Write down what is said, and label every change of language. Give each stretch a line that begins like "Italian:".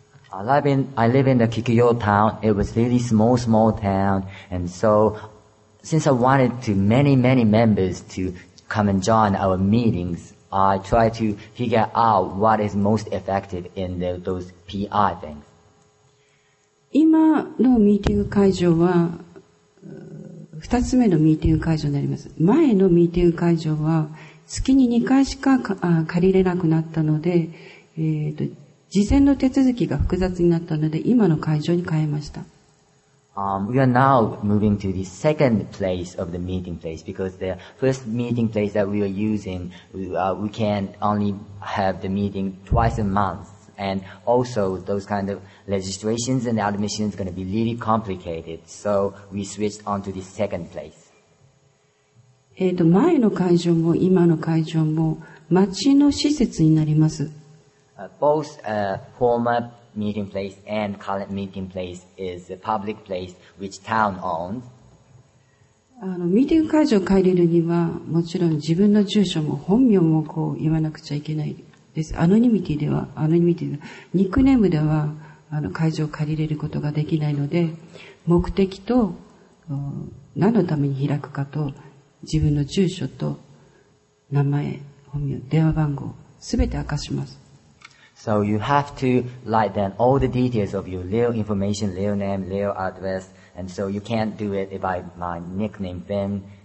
English: I live in the Kikuyo town. It was really small town. And so, since I wanted to many members to come and join our meetings, I tried to figure out what is most effective in those PR things.
Japanese: 今のミーティング会場は二つ目のミーティング会場になります。前のミーティング会場は月に2回しか借りれなくなったので、事前の手続きが複雑になったので今の会場に変えました。
English: We are now moving to the second place of the meeting place because the first meeting place that we are using, we can only have the meeting twice a month. And also, those kind of registrations and admissions are going to be really complicated. So we switched on to the second place.
Japanese: 前の会場も今の会場も町の施設になります。
English: Both former meeting place and current meeting place is a public place which town owns.
Japanese: ミーティング会場を借りるにはもちろん自分の住所も本名もこう言わなくちゃいけない。です。アノニミティでは、ニックネームでは、会場を借りれることができないので、目的と、何のために開くかと、自分の住所と、名前、本名、電話番号、すべて明かします。
English: So you have to write down all the details of your real information, real name, real address, and so you can't do it by my nickname, Ben.